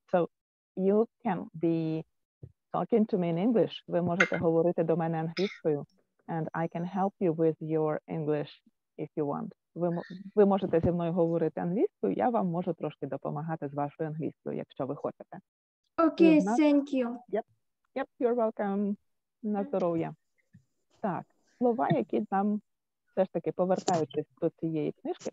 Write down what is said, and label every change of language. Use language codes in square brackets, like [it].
[en] So you can be talking to me in English. [uk] Ви можете говорити до мене англійською. [en] And I can help you with your English if you want. [uk] Ви можете зі мною говорити англійською. Я вам можу трошки допомагати з вашою англійською, якщо ви хочете. [en] Okay, thank you. Yep, you're welcome. [uk] На здоров'я. Так, слова, які нам все ж таки повертаючись до цієї книжки.